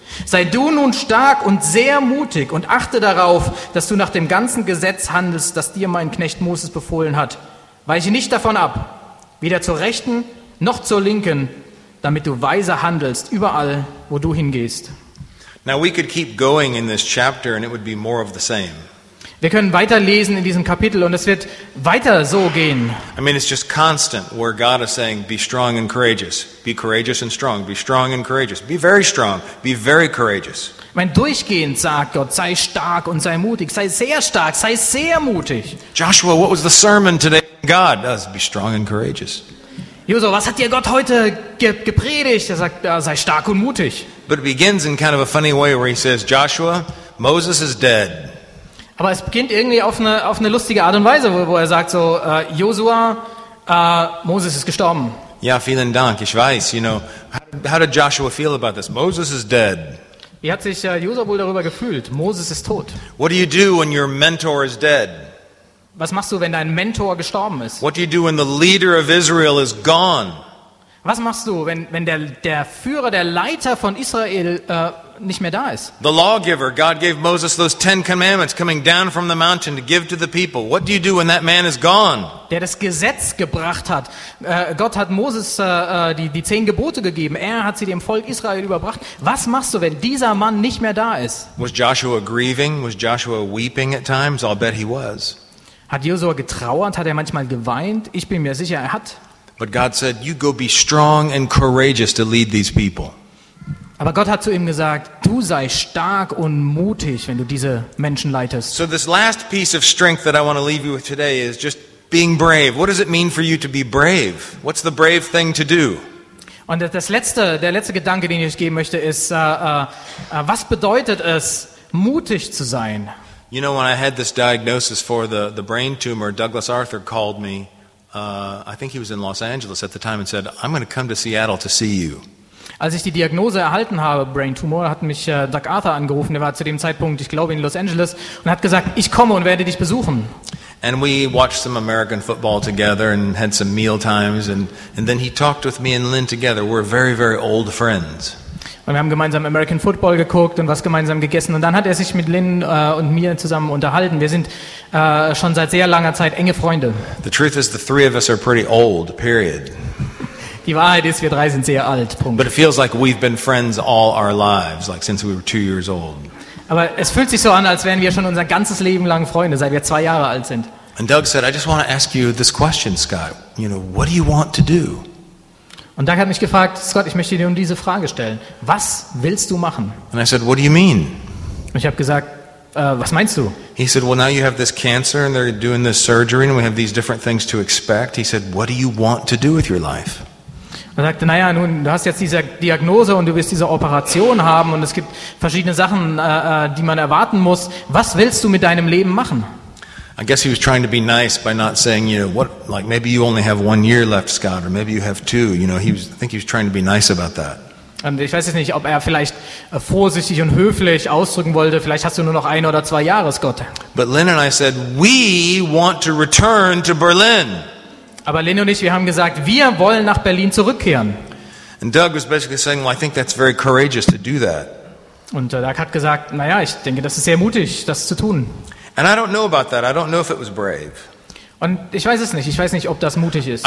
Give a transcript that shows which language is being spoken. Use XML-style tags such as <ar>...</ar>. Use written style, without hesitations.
<de>Sei du nun stark und sehr mutig und achte darauf, dass du nach dem ganzen Gesetz handelst, das dir mein Knecht Moses befohlen hat. Weiche nicht davon ab, weder zur Rechten noch zur Linken, damit du weise handelst, überall, wo du hingehst.</de> <en>Now we could keep going in this chapter and it would be more of the same.</en> <de>Wir können weiterlesen in diesem Kapitel und es wird weiter so gehen.</de> <en>I mean, it's just constant where God is saying, be strong and courageous. Be courageous and strong. Be strong and courageous. Be very strong. Be very courageous.</en> <de>Ich meine, durchgehend sagt Gott, sei stark und sei mutig. Sei sehr stark, sei sehr mutig.</de> <en>Joshua, what was the sermon today? God does, be strong and courageous.</en> <de>Josua, was hat dir Gott heute gepredigt? Er sagt, sei stark und mutig.</de> <en>But it begins in kind of a funny way where he says, Joshua, Moses is dead.</en> <de>Aber es beginnt irgendwie auf eine lustige Art und Weise, wo er sagt so, Josua, Moses ist gestorben. Ja, vielen Dank, ich weiß,</de> <en>you know, how did Joshua feel about this? Moses is dead.</en> <de>Wie hat sich Josua wohl darüber gefühlt? Moses ist tot.</de> <en>What do you do when your mentor is dead?</en> <de>Was machst du, wenn dein Mentor gestorben ist?</de> <en>What do you do when the leader of Israel is gone?</en> <de>Was machst du, wenn der Führer, der Leiter von Israel nicht mehr da ist.</de> <en>The lawgiver, God gave Moses those 10 commandments coming down from the mountain to give to the people. What do you do when that man is gone?</en> <de>Der das Gesetz gebracht hat. Gott hat Moses die 10 Gebote gegeben. Er hat sie dem Volk Israel überbracht. Was machst du, wenn dieser Mann nicht mehr da ist?</de> <en>Was Joshua grieving? Was Joshua weeping at times? I'll bet he was.</en> <de>Hat Josua getrauert? Hat er manchmal geweint? Ich bin mir sicher, er hat.</de> <en>But God said, you go be strong and courageous to lead these people.</en> <de>Aber Gott hat zu ihm gesagt, du sei stark und mutig, wenn du diese Menschen leitest.</de> <en>So this last piece of strength that I want to leave you with today is just being brave. What does it mean for you to be brave? What's the brave thing to do?</en> <de>Und das letzte, der letzte Gedanke, den ich euch geben möchte, ist, was bedeutet es, mutig zu sein?</de> <en>You know, when I had this diagnosis for the brain tumor, Douglas Arthur called me. I think he was in Los Angeles at the time and said, "I'm going to come to Seattle to see you."</en> <de>Als ich die Diagnose erhalten habe, Brain Tumor, hat mich Doug Arthur angerufen. Er war zu dem Zeitpunkt, ich glaube, in Los Angeles und hat gesagt, ich komme und werde dich besuchen.</de> <en>And we watched some American football together and had some meal times and then he talked with me and Lynn together. We're very, very old friends.</en> <de>Und wir haben gemeinsam American Football geguckt und was gemeinsam gegessen. Und dann hat er sich mit Lynn und mir zusammen unterhalten. Wir sind schon seit sehr langer Zeit enge Freunde.</de> <en>The truth is, the three of us are pretty old, period.</en> <de>Die Wahrheit ist, wir drei sind sehr alt, Punkt.</de> <en>But it feels like we've been friends all our lives, like since we were 2 years old.</en> <de>Aber es fühlt sich so an, als wären wir schon unser ganzes Leben lang Freunde, seit wir 2 Jahre alt sind.</de> <en>And Doug said, I just want to ask you this question, Scott. You know, what do you want to do?</en> <de>Und Doug hat mich gefragt, Scott, ich möchte dir nun diese Frage stellen. Was willst du machen?</de> <en>And I said, what do you mean?</en> <de>Und ich habe gesagt, was meinst du?</de> <en>He said, well, now you have this cancer and they're doing this surgery and we have these different things to expect. He said, what do you want to do with your life?</en> <de>Und er sagte, naja, nun, du hast jetzt diese Diagnose und du wirst diese Operation haben und es gibt verschiedene Sachen, die man erwarten muss. Was willst du mit deinem Leben machen?</de> <en>I guess he was trying to be nice by not saying, you know, what, like maybe you only have 1 year left, Scott, or maybe you have 2. You know, I think he was trying to be nice about that.</en> <de>Und ich weiß jetzt nicht, ob er vielleicht vorsichtig und höflich ausdrücken wollte, vielleicht hast du nur noch 1 oder 2 Jahre, Scott.</de> <en>But Lynn and I said, we want to return to Berlin.</en> <de>Aber Lynn und ich, wir haben gesagt, wir wollen nach Berlin zurückkehren.</de> <en>And Doug was basically saying, well, I think that's very courageous to do that.</en> <de>Und Doug hat gesagt, naja, ich denke, das ist sehr mutig, das zu tun.</de> <en>And I don't know about that. I don't know if it was brave.</en> <de>Und ich weiß es nicht. Ich weiß nicht, ob das mutig ist.</de>